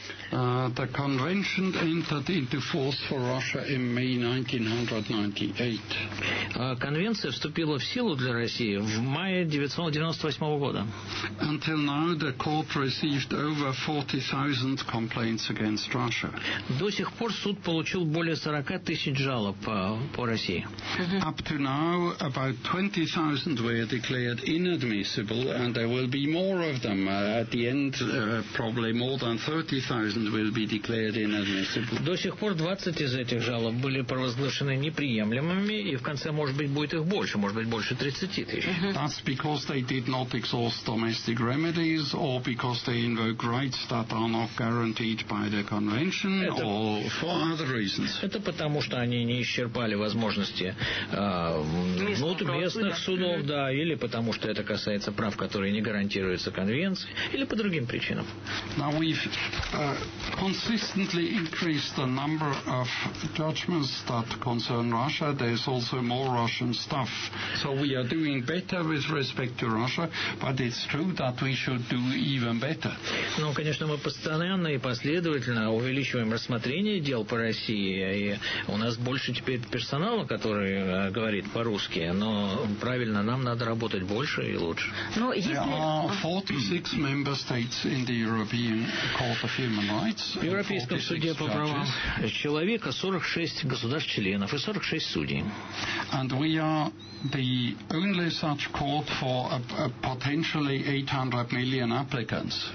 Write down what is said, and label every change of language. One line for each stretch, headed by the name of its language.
English: The convention entered into force for Russia in May 1998.
Russian: Конвенция вступила в силу для России в мае 1998 года.
English: Until now, the court received over 40,000 complaints against Russia.
Russian: До сих пор суд получил более 40,000 жалоб по России.
English: Up to now, about 20,000 were declared inadmissible, and there will be more of them at the end, probably more than 30,000. Will be declared inadmissible.
Russian: До сих пор 20 из этих жалоб были провозглашены неприемлемыми, и в конце, может быть, будет их больше, может быть, больше 30 тысяч.
English: That's because they did not exhaust domestic remedies, or because they invoke rights that are not guaranteed by the convention, or for other reasons.
Russian: Это потому, что они не исчерпали возможности местных судов, да, или потому, что это касается прав, которые не гарантируются конвенцией, или по другим причинам.
English: Now we've consistently increased the number of judgments that concern Russia. There's also more Russian stuff. So we are doing better with respect to Russia, but it's true that we should do even better.
Russian: Ну, конечно, мы постоянно и последовательно увеличиваем рассмотрение дел по России, и у нас больше теперь персонала, который говорит по-русски, но правильно, нам надо работать больше и лучше. Но если...
English: There are 46 member states in the European Court of
Russian: В Европейском суде по правам человека 46 государств-членов и 46 судей.
English: And we are the only such court for a potentially 800 million applicants.